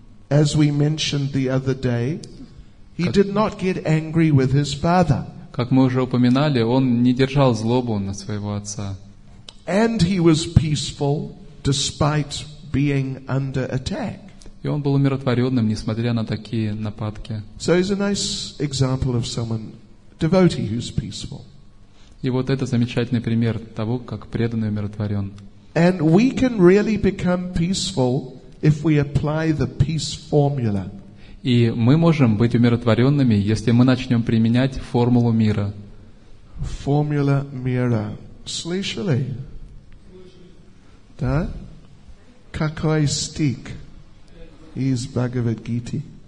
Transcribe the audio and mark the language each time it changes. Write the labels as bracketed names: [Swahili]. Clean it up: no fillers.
[English] As we mentioned the other day, he did not get angry with his father. [Russian] Как мы уже упоминали, он не держал злобу на своего отца. [English] And he was peaceful despite being under attack. [Russian] И он был умиротворенным, несмотря на такие нападки. [English] So he's a nice example of someone, devotee who's peaceful. [Russian] И вот это замечательный пример того, как преданный умиротворен. [English] And we can really become peaceful if we apply the peace formula. [Russian] И мы можем быть умиротворенными, если мы начнем применять формулу мира. Формула мира. Слышали? Да? Какой стих из Бхагавад-гиты?